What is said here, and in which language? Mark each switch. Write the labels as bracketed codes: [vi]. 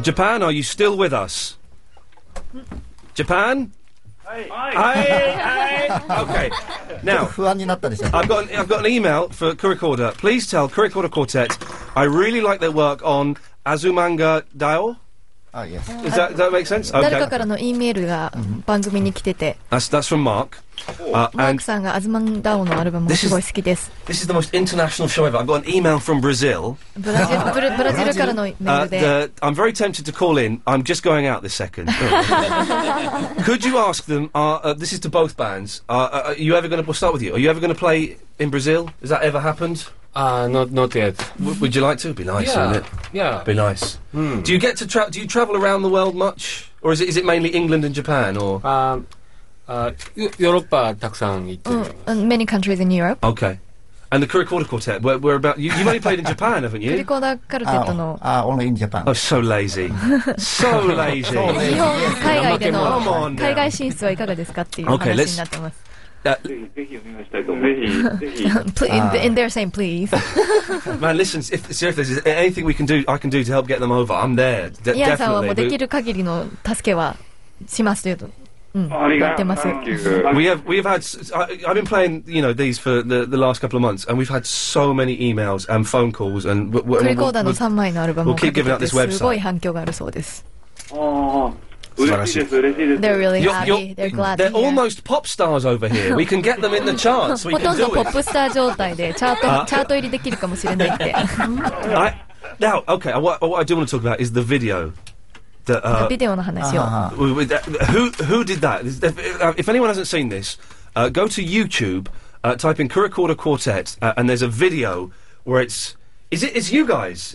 [en] Japan, are you still with us? Japan? Hi. Okay. Now, I've got an email for Kurikorda. Please tell Kurikorda Quartet I really like their work on Azumanga Daio. Oh, yes. Does that make sense? Okay. [ja] 誰かからのEメールが番組に来てて [en] That's from Mark. [ja] マークさんがアズマンダオのアルバムすごい好きです [en] This is the most international show ever. I've got an email from Brazil. [ja] ブラジルからのメールで [en] I'm very tempted to call in. I'm just going out this second. Could you ask them, this is to both bands, are you ever going to, we'll start with you, are you ever going to play in Brazil? Has that ever happened? Not yet. Would you like to? Be nice, yeah, wouldn't it? Yeah. Be nice. Mm. Do you get to travel? Do you travel around the world much, or is it mainly England and Japan, or? [ja] ヨーロッパたくさん行ってます。 [en] Many countries in Europe. Okay. And the Kurikorda Quartet. We're about. You've only played in Japan, haven't you? [ja] Kurikorda Quartetの. [en] Only in Japan. Oh, so lazy. So lazy. [ja] 日本海外での海外進出はいかがですかっていう話になってます。 [en] Okay, let's. In there saying please. Man, listen, if there's anything we can do, I can do to help get them over, I'm there. We have been playing, you know, these for the last couple of months, and we've had so many emails and phone calls, and we'll keep giving out this website. They're really happy. They're almost pop stars over here. We can get them in the charts. We can do it. [ja] ほとんどポップスター状態でチャート入りできるかもしれないって。 [en] Now, okay, what I do want to talk about is the video. [ja] The video の話を。 [en] Who did that? If anyone hasn't seen this, go to YouTube, type in Kurikorda Quartet, and there's a video where it's you guys.